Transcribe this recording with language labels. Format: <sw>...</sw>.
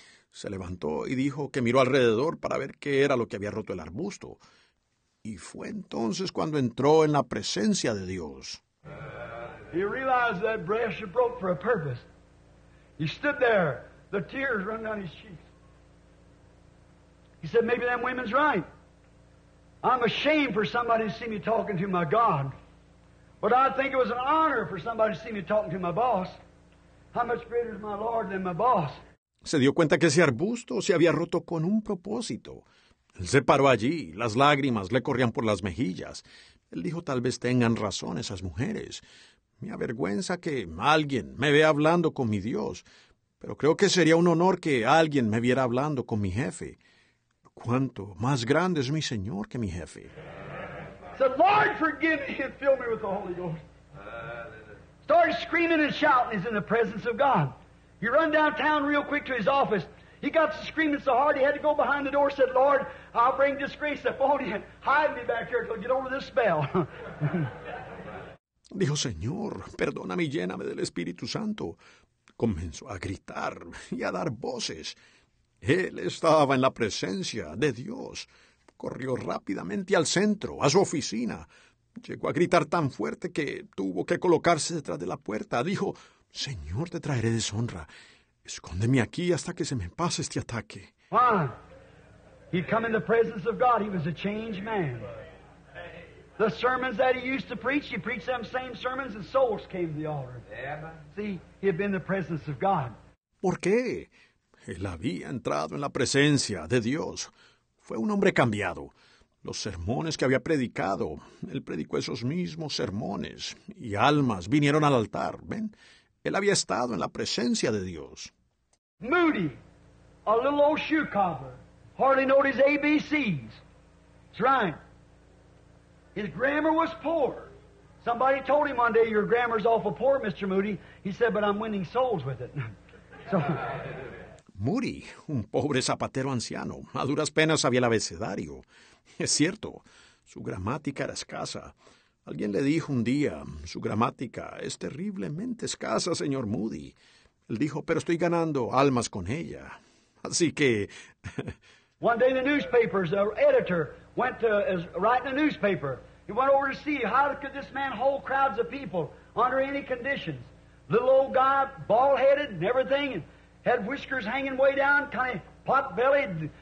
<es>se levantó y dijo que miró alrededor para ver qué era lo que había roto el arbusto. Y fue entonces cuando entró en la presencia de Dios.</es> <en>He realized that brush broke for a purpose. He stood there, the tears running down his cheeks. He said, maybe them women's right. I'm ashamed for somebody to see me talking to my God. But I think it was an honor for somebody to see me talking to my boss. How much greater is my Lord than my boss?</en> <es>Se dio cuenta que ese arbusto se había roto con un propósito. Él se paró allí. Las lágrimas le corrían por las mejillas. Él dijo, tal vez tengan razón esas mujeres. Me avergüenza que alguien me vea hablando con mi Dios. Pero creo que sería un honor que alguien me viera hablando con mi jefe. ¿Cuánto más grande es mi Señor que mi jefe?</es> <en>Said, Lord, forgive me and fill me with the Holy Ghost. Started screaming and shouting. He's in the presence of God. He run downtown real quick to his office. He got to screaming so hard he had to go behind the door. Said, Lord, I'll bring disgrace upon you. Hide me back here till I get over this spell.</en> <es>Dijo, Señor, perdóname y lléname del Espíritu Santo. Comenzó a gritar y a dar voces. Él estaba en la presencia de Dios. Corrió rápidamente al centro, a su oficina. Llegó a gritar tan fuerte que tuvo que colocarse detrás de la puerta. Dijo, «Señor, te traeré deshonra. Escóndeme aquí hasta que se me pase este ataque».</es> <en>Why? He'd come in the presence of God. He was a changed man. The sermons that he used to preach, he preached them same sermons and souls came to the altar. See, he had been in the presence of God.</en> <es>¿Por qué? Él había entrado en la presencia de Dios. Fue un hombre cambiado. Los sermones que había predicado, él predicó esos mismos sermones y almas vinieron al altar. ¿Ven? Él había estado en la presencia de Dios.</es> <en>Moody, a little old shoe cobbler, hardly knew his ABCs. That's right. His grammar was poor. Somebody told him one day, your grammar's awful poor, Mr. Moody. He said, but I'm winning souls with it. So.</en> <es>Moody, un pobre zapatero anciano, a duras penas sabía el abecedario. Es cierto, su gramática era escasa. Alguien le dijo un día, su gramática es terriblemente escasa, señor Moody. Él dijo, pero estoy ganando almas con ella. Así que...</es> <en>One day the newspapers, the editor, went to write in a newspaper. He went over to see how could this man hold crowds of people under any conditions. Little old guy, bald-headed and everything, and had whiskers hanging way down, kind of pot-bellied.</en>